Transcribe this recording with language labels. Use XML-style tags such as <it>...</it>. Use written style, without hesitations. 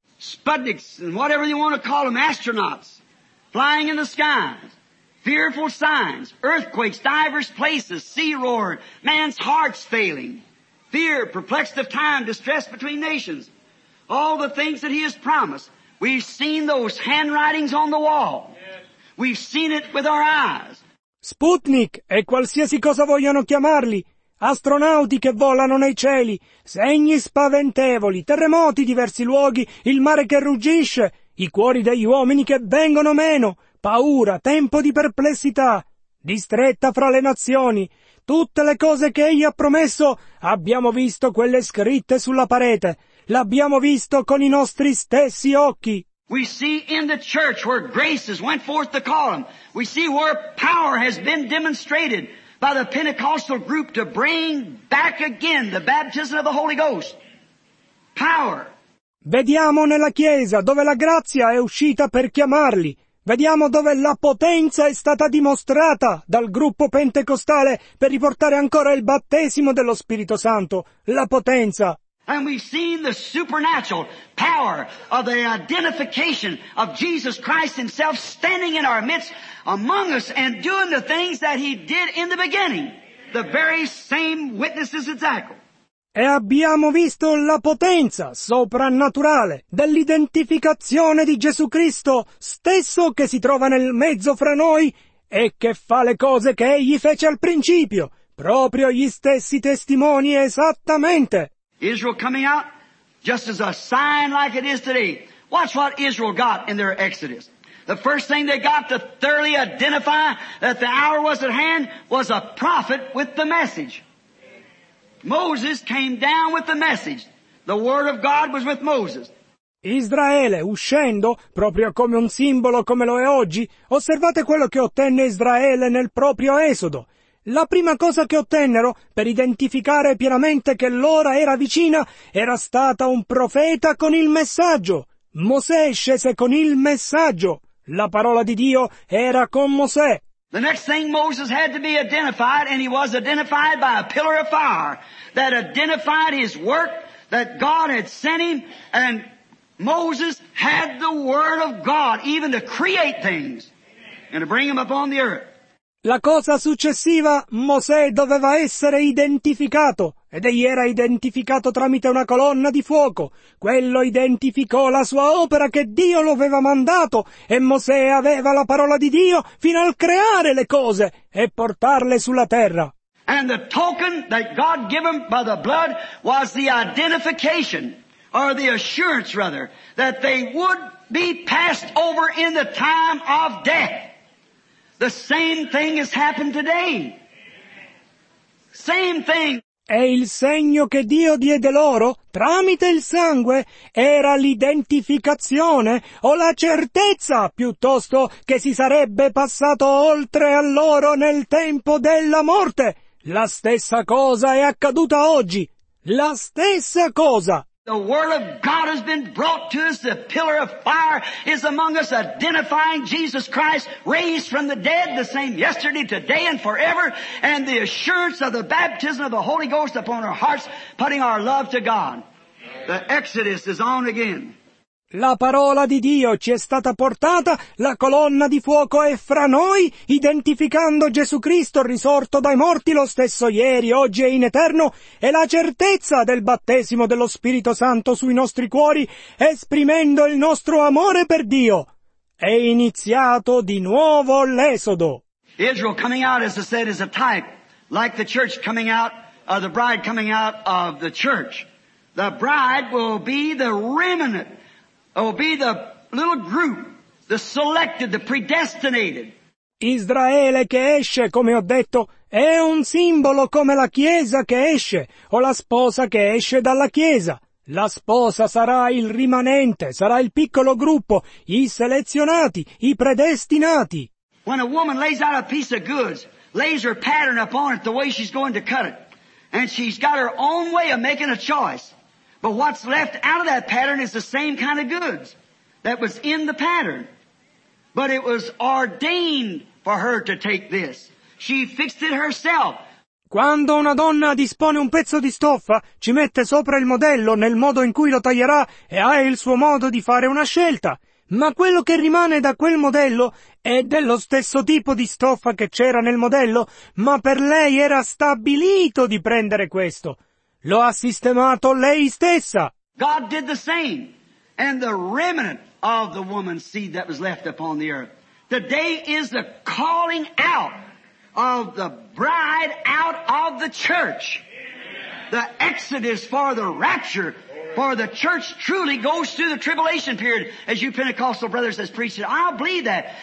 <en>Sputniks, and whatever you want to call them, astronauts, flying in the skies. Fearful signs, earthquakes, diverse places, sea roaring, man's heart's failing, fear, perplexed of time, distress between nations, all the things that he has promised. We've seen those handwritings on the wall. We've seen it with our eyes.</en> <it>Sputnik e qualsiasi cosa vogliono chiamarli, astronauti che volano nei cieli, segni spaventevoli, terremoti, diversi luoghi, il mare che ruggisce, i cuori degli uomini che vengono meno. Paura, tempo di perplessità, distretta fra le nazioni, tutte le cose che egli ha promesso, abbiamo visto quelle scritte sulla parete, l'abbiamo visto con i nostri stessi occhi.</it> <en>We see in the church where grace has went forth to call them. We see where power has been demonstrated by the Pentecostal group to bring back again the baptism of the Holy Ghost. Power.</en> <it>Vediamo nella Chiesa dove la grazia è uscita per chiamarli. Vediamo dove la potenza è stata dimostrata dal gruppo pentecostale per riportare ancora il battesimo dello Spirito Santo, la potenza.</it> <en>And we've seen the supernatural power of the identification of Jesus Christ himself standing in our midst among us and doing the things that he did in the beginning, the very same witnesses exactly.</en> <it>E abbiamo visto la potenza soprannaturale dell'identificazione di Gesù Cristo stesso che si trova nel mezzo fra noi e che fa le cose che egli fece al principio, proprio gli stessi testimoni esattamente.</it> <en>Israel coming out just as a sign like it is today. Watch what Israel got in their Exodus. The first thing they got to thoroughly identify that the hour was at hand was a prophet with the message. Moses came down with the message. The word of God was with Moses.</en> <it>Israele, uscendo, proprio come un simbolo come lo è oggi, osservate quello che ottenne Israele nel proprio Esodo. La prima cosa che ottennero, per identificare pienamente che l'ora era vicina, era stata un profeta con il messaggio. Mosè scese con il messaggio. La parola di Dio era con Mosè.</it> <en>The next thing Moses had to be identified, and he was identified by a pillar of fire that identified his work that God had sent him, and Moses had the word of God even to create things and to bring them upon the earth.</en> <it>La cosa successiva, Mosè doveva essere identificato, ed egli era identificato tramite una colonna di fuoco. Quello identificò la sua opera che Dio lo aveva mandato, e Mosè aveva la parola di Dio fino al creare le cose e portarle sulla terra.</it> <en>And the token that God given by the blood was the identification, or the assurance rather, that they would be passed over in the time of death. The same thing has happened today. Same thing.</en> <it>E il segno che Dio diede loro, tramite il sangue, era l'identificazione, o la certezza, piuttosto, che si sarebbe passato oltre a loro nel tempo della morte. La stessa cosa è accaduta oggi. La stessa cosa.</it> <en>The word of God has been brought to us. The pillar of fire is among us, identifying Jesus Christ raised from the dead, the same yesterday, today, and forever. And the assurance of the baptism of the Holy Ghost upon our hearts, putting our love to God. The Exodus is on again.</en> <it>La parola di Dio ci è stata portata, la colonna di fuoco è fra noi, identificando Gesù Cristo risorto dai morti lo stesso ieri, oggi e in eterno, e la certezza del battesimo dello Spirito Santo sui nostri cuori, esprimendo il nostro amore per Dio. È iniziato di nuovo l'Esodo.</it> <en>Israel coming out, as I said, is a type, like the church coming out, the bride coming out of the church. The bride will be the remnant. It will be the little group, the selected, the predestinated.</en> <it>Israele che esce, come ho detto, è un simbolo come la Chiesa che esce, o la sposa che esce dalla Chiesa. La sposa sarà il rimanente, sarà il piccolo gruppo, i selezionati, i predestinati.</it> <en>When a woman lays out a piece of goods, lays her pattern upon it the way she's going to cut it, and she's got her own way of making a choice. But what's left out of that pattern is the same kind of goods that was in the pattern. But it was ordained for her to take this. She fixed it herself.</en> <it>Quando una donna dispone un pezzo di stoffa, ci mette sopra il modello nel modo in cui lo taglierà e ha il suo modo di fare una scelta. Ma quello che rimane da quel modello è dello stesso tipo di stoffa che c'era nel modello, ma per lei era stabilito di prendere questo. Lo ha sistemato lei stessa.</it> <en>God did the same, and the remnant of the woman's seed that was left upon the earth. Today is the calling out of the bride out of the church. The exodus for the rapture, for the church truly goes through the tribulation period, as you Pentecostal brothers has preached it. I believe that.</en>